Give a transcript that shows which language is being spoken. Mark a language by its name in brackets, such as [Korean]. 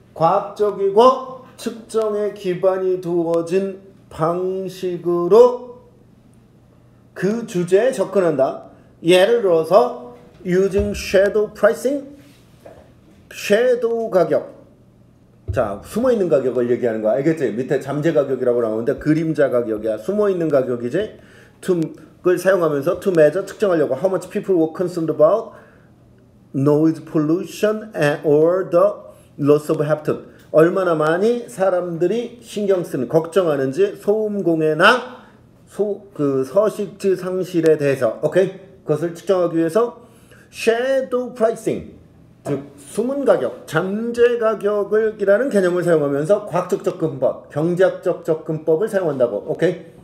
[Korean] 과학적이고 측정에 기반이 두어진 방식으로 그 주제에 접근한다. 예를 들어서 [English] using shadow pricing, shadow 가격. [Korean] 자, 숨어 있는 가격을 얘기하는 거야. 알겠지? 밑에 잠재 가격이라고 나오는데 그림자 가격이야. 숨어 있는 가격이지. 툼을 사용하면서 [English] to measure [Korean] 측정하려고 [English] how much people were concerned about noise pollution and or the loss of habitat. [Korean] 얼마나 많이 사람들이 신경 쓰는 걱정하는지 소음 공해나 그 서식지 상실에 대해서 오케이 그것을 측정하기 위해서 shadow pricing 즉 숨은 가격 잠재 가격을 이라는 개념을 사용하면서 과학적 접근법 경제학적 접근법을 사용한다고 오케이